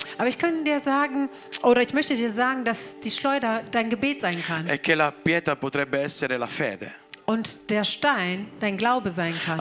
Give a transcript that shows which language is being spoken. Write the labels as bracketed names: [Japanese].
[German] Aber ich könnte dir sagen, oder ich möchte dir sagen, dass die Schleuder dein Gebet sein kann. [Italian] E che la pietra potrebbe essere la fede. [German] Und der Stein dein Glaube sein kann.